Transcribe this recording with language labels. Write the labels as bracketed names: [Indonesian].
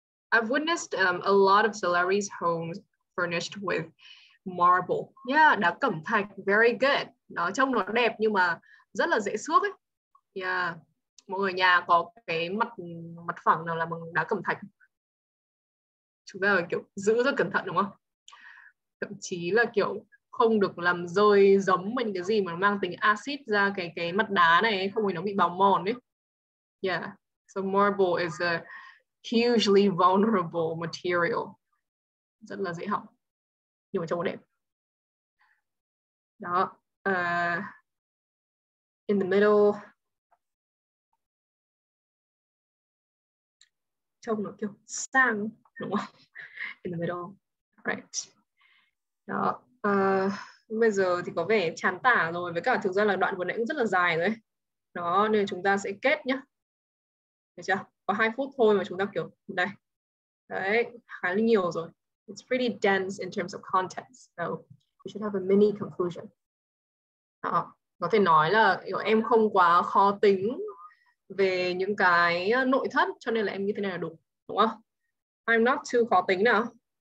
[English] I've witnessed a lot of celebrities' homes furnished with marble. [Vietnamese] Yeah, đá cẩm thạch. [English] Very good. [Vietnamese] Nó trông nó đẹp nhưng mà rất là dễ xước ấy. Yeah. Mọi người nhà có cái mặt phẳng nào là bằng đá cẩm thạch? Chúng ta kiểu giữ rất cẩn thận đúng không? Thậm chí là kiểu không được làm rơi giống mình cái gì mà mang tính acid ra cái mặt đá này, không thì nó bị bào mòn ấy. Yeah, [English] so marble is a hugely vulnerable material. [Vietnamese] Rất là dễ hỏng. Nhưng mà trông đẹp. Đó. [English] In the middle. [Vietnamese] Trông nó kiểu sang, đúng không? [English] In the middle. Right. [Vietnamese] Đó. Bây giờ thì có vẻ chán tả rồi. Với cả thực ra là đoạn vừa nãy cũng rất là dài rồi. Đó, nên chúng ta sẽ kết nhá. Được chưa? Có 2 phút thôi mà chúng ta kiểu đây. Đấy, khá là nhiều rồi. [English] It's pretty dense in terms of context. So, we should have a mini conclusion. [Vietnamese] có thể nói là em không quá khó tính về những cái nội thất, cho nên là em nghĩ thế này là đúng, đúng không? [English] I'm not too [Vietnamese] khó tính nào.